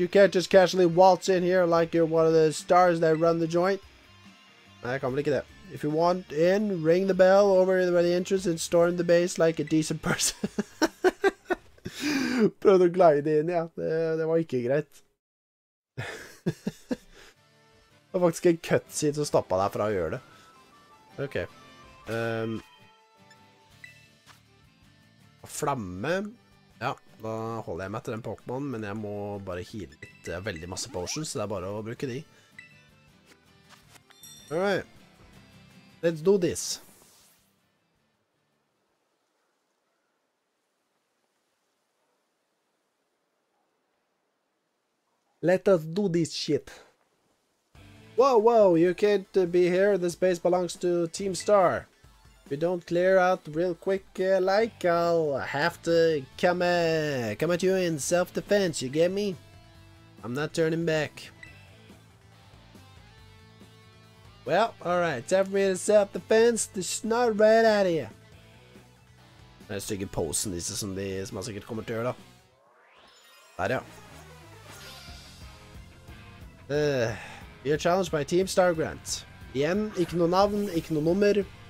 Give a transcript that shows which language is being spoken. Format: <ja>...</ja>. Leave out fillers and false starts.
<en>You can't just casually waltz in here like you're one of the stars that run the joint.</en> <no>Nei, jeg kan vel ikke det.</no> <en>If you want in, ring the bell over by the entrance and storm the base like a decent person.</en> <no>Prøvde å glide inn, ja. Det var ikke greit. Det var faktisk en cutscene som stoppet deg fra å gjøre det. Ok. Flamme. Ja, da holder jeg meg til den Pokémon, men jeg må bare heal litt. Jeg har veldig masse potions, så det er bare å bruke de.</no> <en>Alright. Let's do this. Let us do this shit. Wow, you can't be here. This base belongs to Team Star. If you don't clear out real quick, like, I'll have to come at you in self-defense, you get me? I'm not turning back. Well, alright, time for me to self-defense, the snot right out of you.</en> <no>Det er stygge posen disse som de som har sikkert kommet til å gjøre, da. Der, ja. Vi er challenged by Team Star Grant. Igjen, ikke noe navn, ikke noe nummer.</no>